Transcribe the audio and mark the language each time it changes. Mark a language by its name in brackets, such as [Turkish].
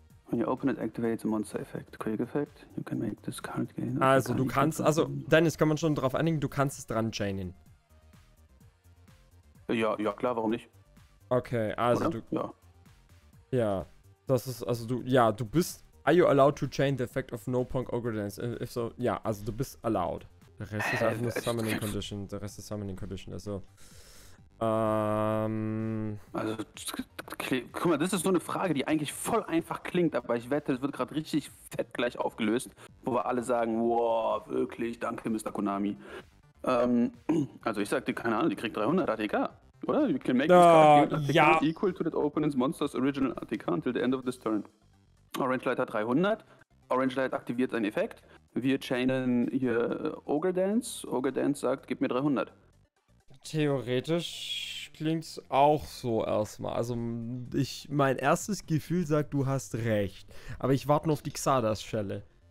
[English] When your opponent activates a monster effect, quick effect, you can make this card gain. [German] Also, du kannst, also, Dennis, kann man schon darauf einigen, du kannst es dran chainen. Ja, ja, klar, warum nicht? Okay, also, oder? Du. Ja. Ja, das ist, also, du, ja, du bist. [English] Are you allowed to chain the effect of no punk ogre dance? If so, [German] ja, also du bist allowed. Der Rest ist einfach nur summoning condition. Der Rest ist summoning condition, also. Also, guck mal, das ist nur eine Frage, die eigentlich voll einfach klingt, aber ich wette, es wird gerade richtig fett gleich aufgelöst, wo wir alle sagen, wow, wirklich, danke, Mr. Konami. Also ich sag dir, keine Ahnung, die kriegt 300 ATK. Oder? [English] You can make this card ja. equal to that opponent's monster's original ATK until the end of this turn. [German] Orange Light hat 300. Orange Light aktiviert seinen Effekt. Wir chainen hier Ogre Dance. Ogre Dance sagt, gib mir 300. Theoretisch klingt's auch so erstmal. Also, ich, mein erstes Gefühl sagt, du hast recht. Aber ich warte nur auf die Xardas-Schelle.